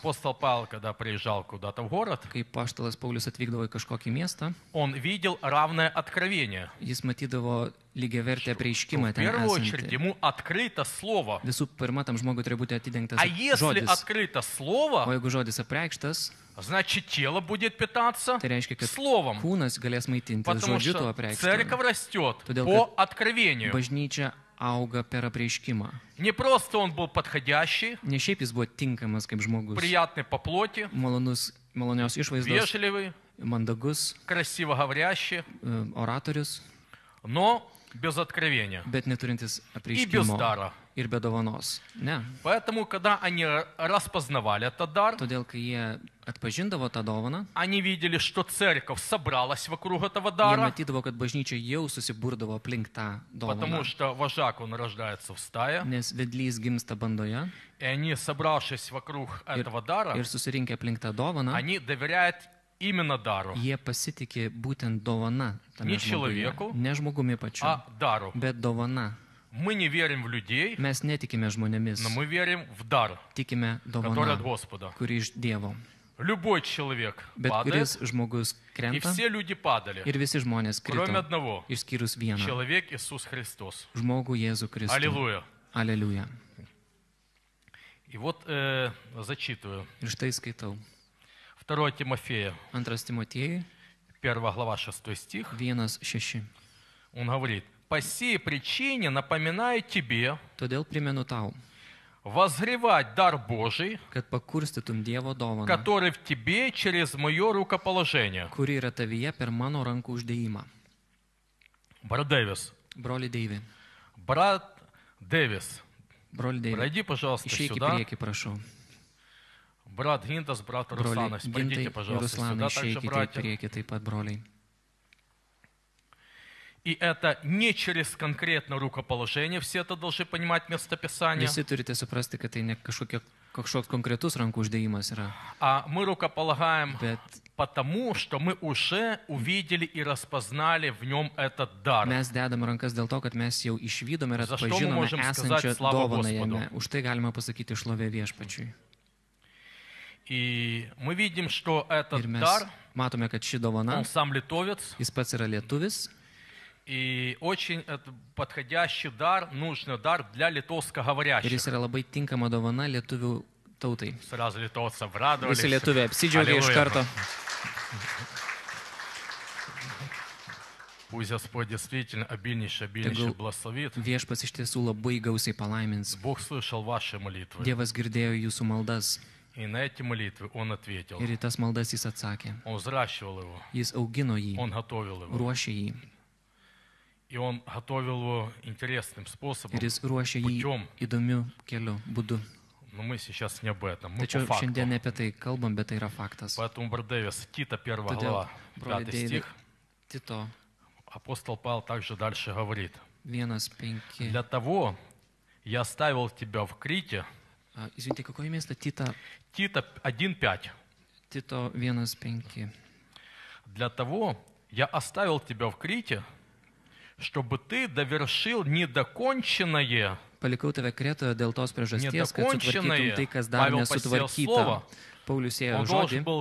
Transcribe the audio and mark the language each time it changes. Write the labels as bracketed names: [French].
[Russian] апостол Павел, когда приезжал куда-то в город, [Lithuanian] kai paštalas Paulius atvykdavo į kažkokį miestą, [Russian] он видел равное откровение. [Lithuanian] Jis matydavo lygiavertį apreiškimą ten esantį. [Russian] В первую очередь ему открыто слово. [Lithuanian] Visų pirma, tam žmogui turi būti atidengtas žodis. [Russian] Если открыто слово, [Lithuanian] o jeigu žodis apreikštas, [Russian] значит, тело будет питаться [Lithuanian] tai reiškia, kad [Russian] словом. [Lithuanian] Kūnas galės maitintis žodžiu tuo apreikštu. [Russian] Церковь растет [Lithuanian] todėl, [Russian] по откровению. [Lithuanian] Bažnyčia auga per apreiškimą. [Russian] Не просто он был подходящий, не [Lithuanian] šiaip jis buvo tinkamas kaip žmogus, [Russian] приятный по плоти, [Lithuanian] malonus, malonios išvaizdos, [Russian] вежливый, [Lithuanian] mandagus, [Russian] красиво говорящий, [Lithuanian] ораторius, [Russian] но без откровения, [Lithuanian] bet neturintis apreiškimo, [Russian] и без дара, [Lithuanian] ir be dovanos. Ne. [Russian] Поэтому, когда они распознавали этот дар, [Lithuanian] todėl, kai jie atpažindavo tą dovaną, [Russian] они видели, что церковь собралась вокруг этого дара, [Lithuanian] jie matydavo, kad bažnyčia jau susibūrdavo aplink tą dovaną, [Russian] потому что вожак он рождается в стае, [Lithuanian] nes vedlys gimsta bandoje, [Russian] и они, собравшись вокруг этого дара, [Lithuanian] ir susirinkę aplink tą dovaną, [Russian] они доверяют именно дару. [Lithuanian] Jie pasitikė būtent dovana tame žmoguje, ne žmogumi pačiu, [Russian] а дару, [Lithuanian] bet dovana. [Russian] Мы не верим в людей, [Lithuanian] mes netikime žmonėmis, [Russian] но мы верим в дар, [Lithuanian] tikime dovana, [Russian] который от Господа, [Lithuanian] kuri iš Dievo. [Russian] Любой человек [Lithuanian] bet [Russian] падает, [Lithuanian] kuris žmogus krenta, [Russian] и все люди падали, [Lithuanian] ir visi žmonės krito, [Russian] кроме одного, [Lithuanian] išskyrus vieną, [Russian] человек Иисус Христос, [Lithuanian] žmogų Jėzų Kristų. [Russian] Аллилуйя. Аллилуйя. И вот зачитываю. [Lithuanian] Ir štai skaitau. [Russian] 2 Тимофея. [Lithuanian] 2 Тимотеи. [Russian] 1 глава, 6 стих. 1:6. Он говорит: «По сей причине напоминаю тебе [Lithuanian] todėl primenu tau, [Russian] возгревать дар Божий, [Lithuanian] kad pakurstytum Dievo dovaną, [Russian] который в тебе через мое рукоположение». [Lithuanian] Kuri yra tavyje per mano rankų uždėjimą. Broli Deivi. [Russian] Брат Дэвис. [Lithuanian] Broli Deivi. [Russian] Пройди, пожалуйста, [Lithuanian] išėjki [Russian] сюда. [Lithuanian] Išėjki priekį, [Russian] прошу. Брат Гинтас, брат Русанас, пойдите, пожалуйста, сюда также, братья. [Lithuanian] Приеки, taip pat, броли. [Russian] И это не через конкретное рукоположение, все это должны понимать место Писания. [Lithuanian] Visi turite suprasti, kad tai ne kažkoks konkretus rankų uždėjimas yra. А мы рукополагаем потому, что мы уже увидели и распознали в нем этот дар. Mes dedam rankas dėl to, kad mes jau išvydome ir atpažinome esančią dovaną jame. Už tai galima pasakyti šlovė viešpačiui. [Russian] И мы видим, что этот дар, матом, как ши дована, он сам литовец, и спец [Lithuanian] yra lietuvis, [Russian] и очень подходящий дар, нужный дар для литовскоговорящих. [Lithuanian] Ir jis yra labai tinkama dovana lietuvių tautai. [Russian] Сразу литовцев радовались. [Lithuanian] Visi lietuviai apsidžiaugė iš karto. [Russian] Пусть Господь действительно обильнейше, обильнейше благословит. [Lithuanian] Viešpats iš tiesų labai gausiai palaimins. [Russian] Бог слышал ваши молитвы. [Lithuanian] Dievas girdėjo jūsų maldas. [Russian] И на эти молитвы он ответил. [Lithuanian] Ir į tas maldas jis atsakė. [Russian] Он взращивал его. [Lithuanian] Jis augino jį. [Russian] Он готовил его. [Lithuanian] Ruošė jį. [Russian] И он готовил его интересным способом. [Lithuanian] Ir jis ruošė jį įdomiu keliu, būdu. [Russian] Но мы сейчас не об этом. Мы [Lithuanian] Tačiau [Russian] по факту. [Lithuanian] Šiandien [Russian] не [Lithuanian] apie tai kalbam, bet tai yra faktas. [Russian] Поэтому, брат Дэвис, Тита, 1 глава, 5 стих. Тито. Апостол Павел также дальше говорит. [Lithuanian] Vienas, penki. [Russian] Для того я оставил тебя в Крите. Извините, какое место? Тита. Тита 1:5. Тито 1:5. Для того я оставил тебя в Крите, чтобы ты довершил недоконченное. [Lithuanian] Palikau tave Kretoje dėl tos priežasties, kad sutvarkytum tai, kas dar nesutvarkyta. Paulius ėjo žodį.